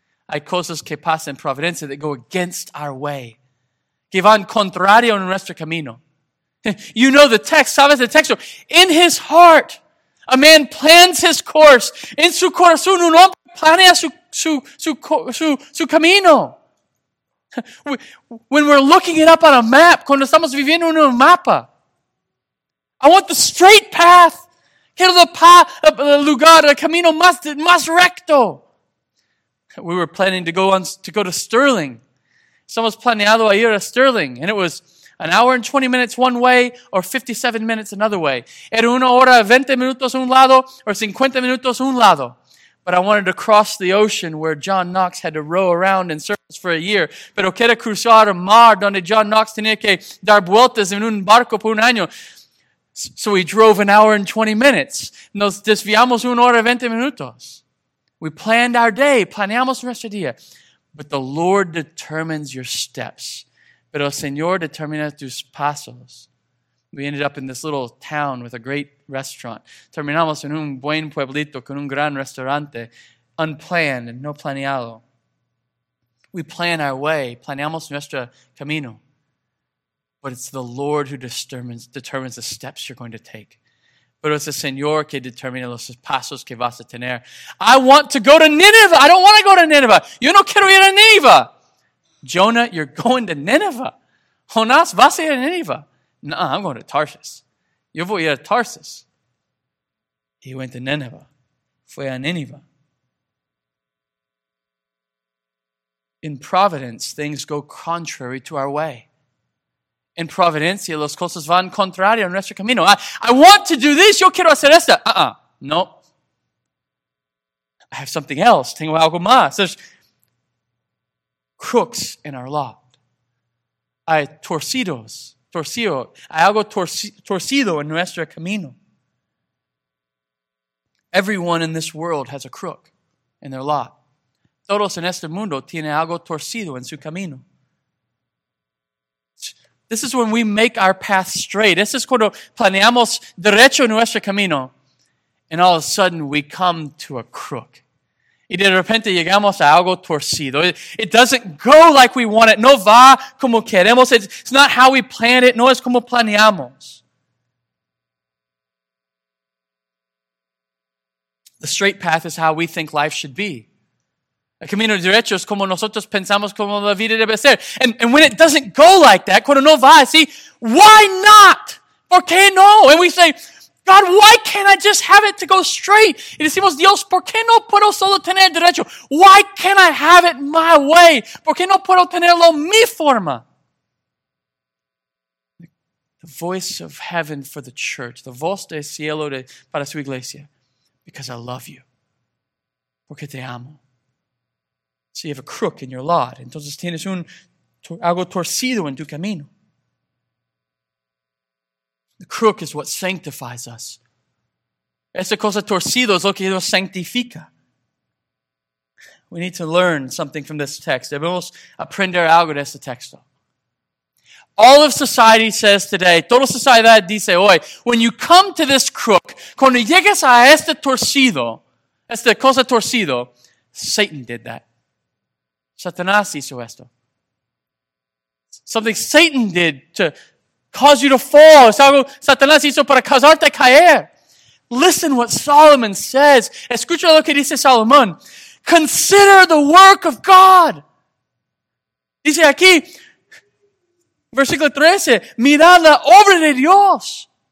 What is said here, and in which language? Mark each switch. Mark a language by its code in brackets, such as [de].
[es] Hay cosas que pasan en providencia [en] that go against our way. [es] Que van contrario en nuestro camino. [en] You know the text. [es] Sabes el texto. [en] In his heart, a man plans his course. [es] En su corazón, un hombre planea su camino. [en] When we're looking it up on a map, [es] cuando estamos viviendo en un mapa, [en] I want the straight path. [es] Quiero el lugar, el camino más recto. [en] We were planning to go to Sterling. [es] Estamos planeado a ir a Sterling, [en] and it was an hour and 20 minutes one way or 57 minutes another way. [es] Era una hora 20 minutos un lado or 50 minutos un lado. [en] But I wanted to cross the ocean where John Knox had to row around in circles for a year. [es] Pero quería cruzar el mar donde John Knox tenía que dar vueltas en un barco por un año. [en] So we drove an hour and 20 minutes. [es] Nos desviamos una hora y 20 minutos. [en] We planned our day. [es] Planeamos nuestro día. [en] But the Lord determines your steps. [es] Pero el Señor determina tus pasos. [en] We ended up in this little town with a great restaurant. [es] Terminamos en un buen pueblito con un gran restaurante, [en] unplanned and [es] no planeado. [en] We plan our way, [es] planeamos nuestro camino. [en] But it's the Lord who determines the steps you're going to take. [es] Pero es el Señor que determina los pasos que vas a tener. [en] I want to go to Nineveh. I don't want to go to Nineveh. [es] Yo no quiero ir a Nineveh. [en] Jonah, you're going to Nineveh. [es] Jonás, vas a ir a Nineveh. [en] No, I'm going to Tarshish. [es] Yo voy a ir a Tarshish. [en] He went to Nineveh. [es] Fue a Nineveh. [en] In providence, things go contrary to our way. [es] In providencia, las cosas van contrario a nuestro camino. [en] I want to do this. [es] Yo quiero hacer esto. No. [en] I have something else. [es] Tengo algo más. [en] crooks in our lot. [es] Hay torcidos. Torcido. Hay algo torcido en nuestro camino. [en] Everyone in this world has a crook in their lot. [es] Todos en este mundo tienen algo torcido en su camino. [en] This is when we make our path straight. [es] Esto es cuando planeamos derecho nuestro camino. [en] And all of a sudden, we come to a crook. [es] Y de repente llegamos a algo torcido. [en] It doesn't go like we want it. [es] No va como queremos. [en] It's not how we planned it. [es] No es como planeamos. [en] The straight path is how we think life should be. [es] El camino derecho es como nosotros pensamos como la vida debe ser. [en] And when it doesn't go like that, [es] cuando no va así, [en] why not? [es] ¿Por qué no? [en] And we say, God, why can't I just have it to go straight? [es] Y decimos, Dios, ¿por qué no puedo solo tener derecho? [en] Why can't I have it my way? [es] ¿Por qué no puedo tenerlo mi forma? [en] The voice of heaven for the church. [es] The voz de cielo para su iglesia. [en] Because I love you. [es] Porque te amo. [en] So you have a crook in your lot. [es] Entonces tienes algo torcido en tu camino. [en] The crook is what sanctifies us. [es] Esa cosa torcida es lo que nos sanctifica. [en] We need to learn something from this text. [es] Debemos aprender algo de este texto. [en] All of society says today, [es] toda sociedad dice hoy, [en] when you come to this crook, [es] cuando llegas a este torcido, esta cosa torcido, [en] Satan did that. [es] Satanás hizo esto. [en] Something Satan did to cause you to fall. [es] Es algo Satanás hizo para causarte caer. [en] Listen what Solomon says. [es] Escucha lo que dice Salomón. [en] Consider the work of God. [es] Dice aquí, versículo 13, mirad la obra de Dios.